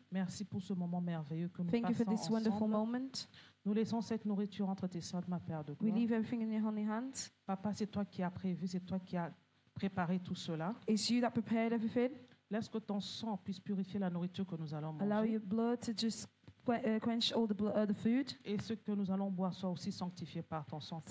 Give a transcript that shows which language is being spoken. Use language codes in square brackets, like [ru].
[fr] Merci pour ce moment merveilleux que nous passons ensemble. [en] Thank you for this wonderful moment. [fr] Nous laissons cette nourriture entre tes soins, ma Père de gloire. [en] We leave everything in your holy hands. [fr] Papa, c'est toi qui as prévu, c'est toi qui as préparé tout cela. [en] It's you that prepared everything. [fr] Laisse que ton sang puisse purifier la nourriture que nous allons manger. [en] Allow your blood to just quench all the food. [fr] Et ce que nous allons boire soit aussi sanctifié par ton sang.